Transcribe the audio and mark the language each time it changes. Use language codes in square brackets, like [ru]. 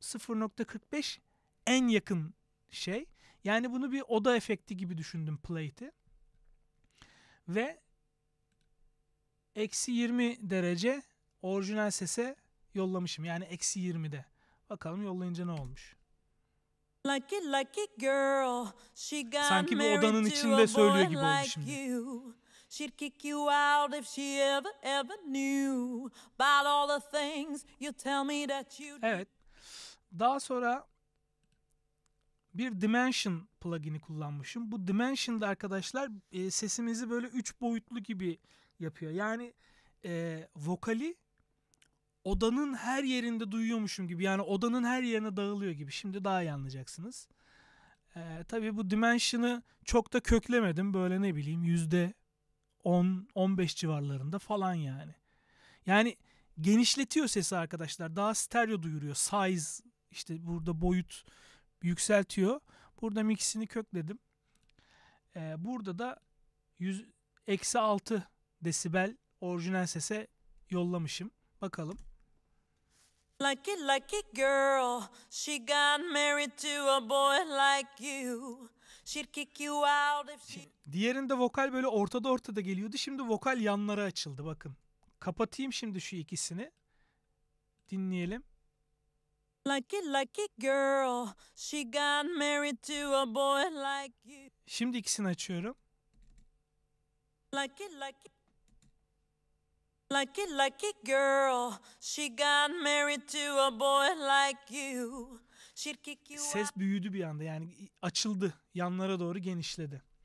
[tr] 0.45 en yakın şey. Yani bunu bir oda efekti gibi düşündüm plate'i. Ve eksi 20 derece orijinal sese yollamışım. Yani eksi 20'de. Bakalım yollayınca ne olmuş. [en] Lucky, lucky girl, she got [tr] sanki bir odanın içinde söylüyor gibi oldu şimdi. [en] Like She'd kick you out if she ever, ever knew about all the things you tell me that you do. [tr] Evet. Daha sonra bir Dimension plugin'i kullanmışım. Bu Dimension'da arkadaşlar sesimizi böyle 3 boyutlu gibi yapıyor. Yani vokali odanın her yerinde duyuyormuşum gibi. Yani odanın her yerine dağılıyor gibi. Şimdi daha iyi anlayacaksınız. Tabii bu Dimension'ı çok da köklemedim. Böyle ne bileyim %10-15 civarlarında falan yani. Yani genişletiyor sesi arkadaşlar. Daha stereo duyuruyor. Size işte burada boyut yükseltiyor. Burada mix'ini kökledim. Burada da -6 desibel orijinal sese yollamışım. Bakalım. [en] Lucky, lucky girl, she got married to a boy like you. She'd kick you out if she... [tr] Diğerinde vokal böyle ortada geliyordu. Şimdi vokal yanlara açıldı bakın. Kapatayım şimdi şu ikisini. Dinleyelim. [en] Lucky, lucky girl, she got married to a boy like you. [tr] Şimdi ikisini açıyorum. [en] Lucky, lucky... Lucky, lucky girl, she got married to a boy like you. She'd kick you out. [tr] Ses büyüdü bir anda yani açıldı, yanlara doğru genişledi.